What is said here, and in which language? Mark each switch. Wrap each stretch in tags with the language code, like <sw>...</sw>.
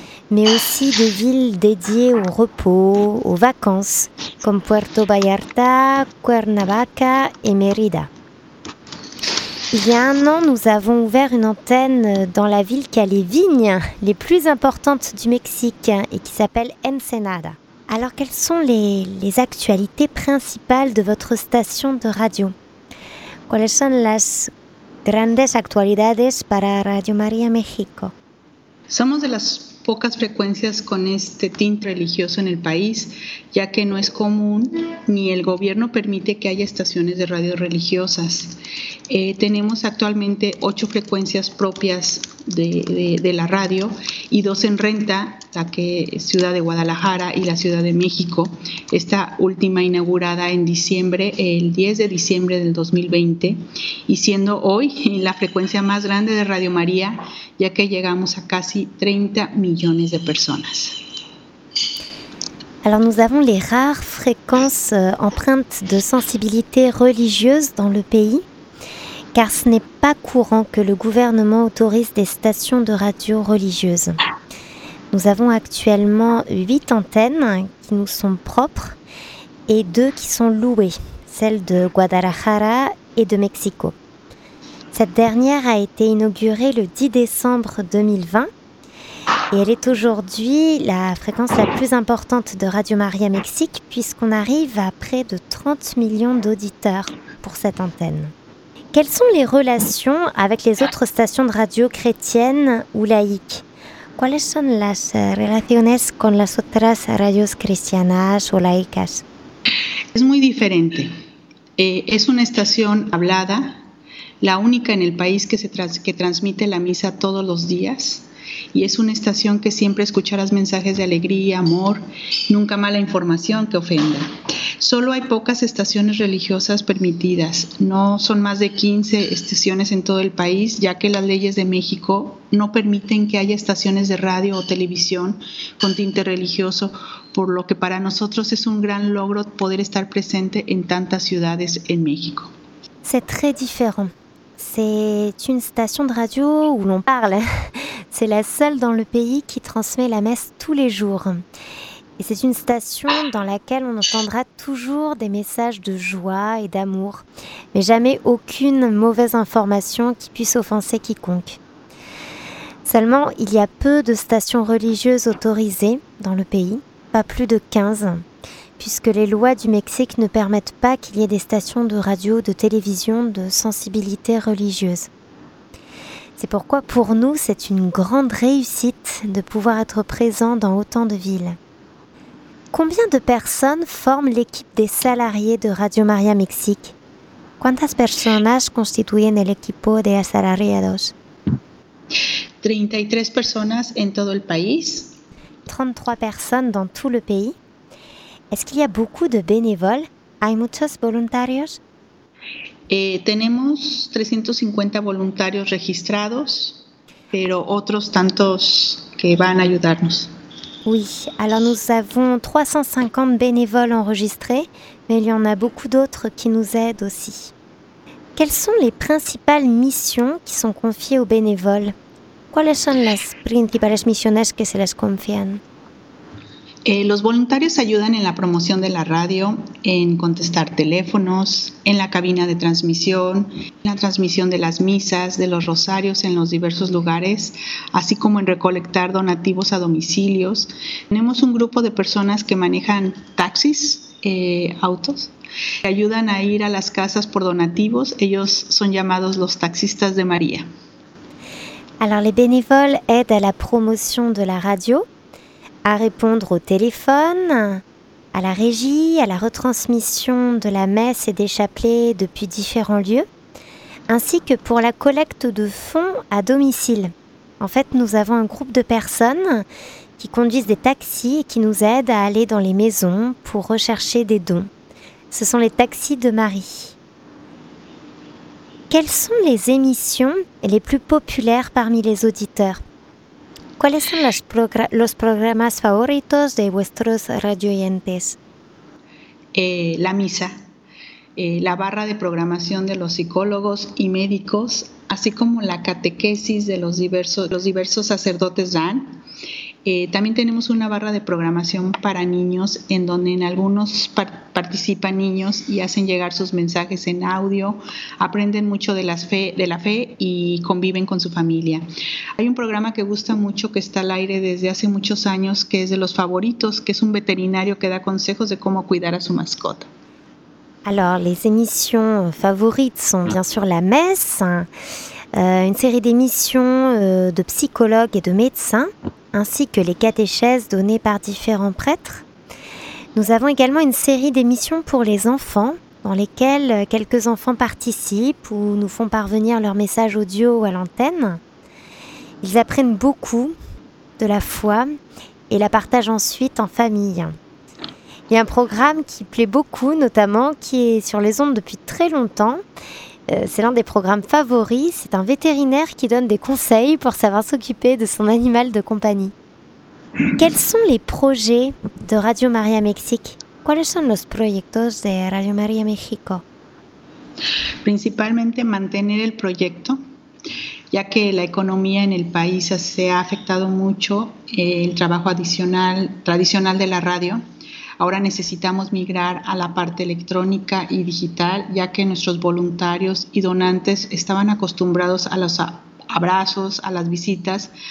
<fr>Mais aussi des villes dédiées au repos, aux vacances, comme Puerto Vallarta, Cuernavaca et Mérida. Il y a un an, nous avons ouvert une antenne dans la ville qui a les vignes les plus importantes du Mexique et qui s'appelle Ensenada. Alors, quelles sont les actualités principales de votre station de radio?</fr> <es>¿Cuáles son las grandes actualidades para Radio María México? Somos de las pocas frecuencias con este tinte religioso en el país, ya que no es común ni el gobierno permite que haya estaciones de radio religiosas. Tenemos actualmente 8 frecuencias propias de la radio y 2 en renta, la que es Ciudad de Guadalajara y la Ciudad de México, esta última inaugurada en diciembre, el 10 de diciembre del 2020, y siendo hoy la frecuencia más grande de Radio María, ya que llegamos a casi 30 millones de personas.</es> <fr>Alors nous avons les rares fréquences empreintes de sensibilité religieuse dans le pays, car ce n'est pas courant que le gouvernement autorise des stations de radio religieuses. Nous avons actuellement 8 antennes qui nous sont propres et 2 qui sont louées, celles de Guadalajara et de Mexico. Cette dernière a été inaugurée le 10 décembre 2020 et elle est aujourd'hui la fréquence la plus importante de Radio Maria Mexique puisqu'on arrive à près de 30 millions d'auditeurs pour cette antenne. Quelles sont les relations avec les autres stations de radio chrétiennes ou laïques?</fr> <es>¿Cuáles son las relaciones con las otras radios cristianas o laicas? Es muy diferente. Es una estación hablada, la única en el país que transmite la misa todos los días. Y es una estación que siempre escucharás mensajes de alegría, amor, nunca mala información que ofenda. Solo hay pocas estaciones religiosas permitidas. No son más de 15 estaciones en todo el país, ya que las leyes de México no permiten que haya estaciones de radio o televisión con tinte religioso, por lo que para nosotros es un gran logro poder estar presente en tantas ciudades en México.</es> <fr>C'est très différent. C'est une station de radio où l'on parle. C'est la seule dans le pays qui transmet la messe tous les jours. Et c'est une station dans laquelle on entendra toujours des messages de joie et d'amour, mais jamais aucune mauvaise information qui puisse offenser quiconque. Seulement, il y a peu de stations religieuses autorisées dans le pays, pas plus de 15, puisque les lois du Mexique ne permettent pas qu'il y ait des stations de radio, de télévision, de sensibilité religieuse. C'est pourquoi pour nous, c'est une grande réussite de pouvoir être présent dans autant de villes. Combien de personnes forment l'équipe des salariés de Radio María México?</fr> <es>¿Cuántas personas constituyen el equipo de asalariados? 33 personas en todo el país.</es> <fr>33 personnes dans tout le pays. Est-ce qu'il y a beaucoup de bénévoles?</fr> <es>¿Hay muchos voluntarios? Tenemos 350 voluntarios registrados, pero otros tantos que van a ayudarnos.</es> <fr>Oui, alors nous avons 350 bénévoles enregistrés, mais il y en a beaucoup d'autres qui nous aident aussi. Quelles sont les principales missions qui sont confiées aux bénévoles?</fr> <es>¿Cuáles son las principales misiones que se les confían? Los voluntarios ayudan en la promoción de la radio, en contestar teléfonos, en la cabina de transmisión, en la transmisión de las misas, de los rosarios en los diversos lugares, así como en recolectar donativos a domicilios. Tenemos un grupo de personas que manejan taxis, autos, que ayudan a ir a las casas por donativos. Ellos son llamados los taxistas de María.</es> <fr>Alors les bénévoles aident à la promotion de la radio, à répondre au téléphone, à la régie, à la retransmission de la messe et des chapelets depuis différents lieux, ainsi que pour la collecte de fonds à domicile. En fait, nous avons un groupe de personnes qui conduisent des taxis et qui nous aident à aller dans les maisons pour rechercher des dons. Ce sont les taxis de Marie. Quelles sont les émissions les plus populaires parmi les auditeurs?</fr> <es>¿Cuáles son los programas favoritos de vuestros radioyentes? La misa, la barra de programación de los psicólogos y médicos, así como la catequesis de los diversos sacerdotes dan. También tenemos una barra de programación para niños, en donde en algunos participan niños y hacen llegar sus mensajes en audio, aprenden mucho de la fe y conviven con su familia. Hay un programa que gusta mucho, que está al aire desde hace muchos años, que es de los favoritos, que es un veterinario que da consejos de cómo cuidar a su mascota.</es> <fr>Alors, les émissions favorites sont bien sûr la messe, une série d'émissions de psychologues et de médecins, ainsi que les catéchèses données par différents prêtres. Nous avons également une série d'émissions pour les enfants, dans lesquelles quelques enfants participent ou nous font parvenir leurs messages audio ou à l'antenne. Ils apprennent beaucoup de la foi et la partagent ensuite en famille. Il y a un programme qui plaît beaucoup, notamment, qui est sur les ondes depuis très longtemps. C'est l'un des programmes favoris. C'est un vétérinaire qui donne des conseils pour savoir s'occuper de son animal de compagnie. Quels sont les projets de Radio María Mexique?</fr> <es>¿Cuáles son los proyectos de Radio María México? Principalmente mantener el proyecto, ya que la economía en el país se ha afectado mucho, el trabajo adicional, tradicional de la radio. Ahora necesitamos migrar a la parte electrónica y digital, ya que nuestros voluntarios y donantes estaban acostumbrados a los abrazos, a las visitas.</es>